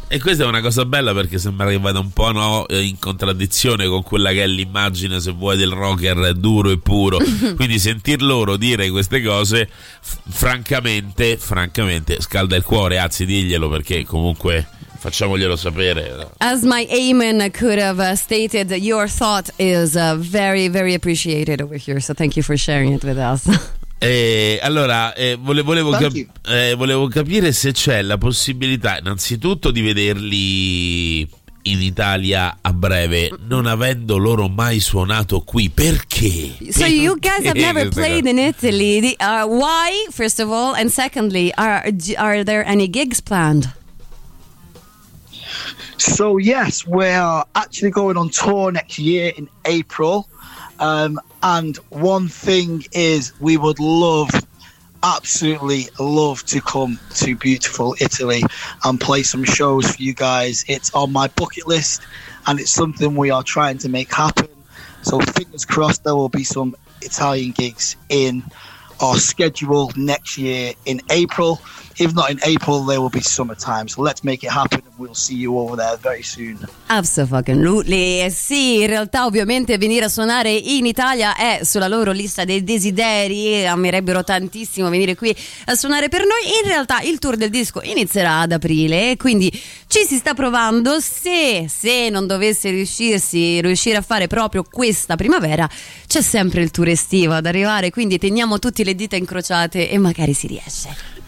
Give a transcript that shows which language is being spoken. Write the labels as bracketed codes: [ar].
[it] E questa è una cosa bella, perché sembra che vada un po', no, in contraddizione con quella che è l'immagine, se vuoi, del rocker duro e puro. Quindi sentir loro dire queste cose francamente scalda il cuore, anzi diglielo, perché comunque facciamoglielo sapere. [en] As my amen could have stated, your thought is very, very appreciated over here. So thank you for sharing it with us. Volevo capire se c'è la possibilità, innanzitutto, di vederli in Italia a breve, non avendo loro mai suonato qui. Perché? So you guys have never played in Italy. Why, first of all? And secondly, are there any gigs planned? So yes, we are actually going on tour next year in April, and one thing is, we would love, absolutely love, to come to beautiful Italy and play some shows for you guys. It's on my bucket list, and it's something we are trying to make happen, so fingers crossed there will be some Italian gigs in our schedule next year in April. if not in April, there will be summertime. So let's make it happen and we'll see you over there very soon. Absolutely. [it] Sì, in realtà ovviamente venire a suonare in Italia è sulla loro lista dei desideri. Amerebbero tantissimo venire qui a suonare per noi. In realtà il tour del disco inizierà ad aprile, quindi ci si sta provando. Se non dovesse riuscire a fare proprio questa primavera, c'è sempre il tour estivo ad arrivare, quindi teniamo tutti le dita incrociate e magari si riesce.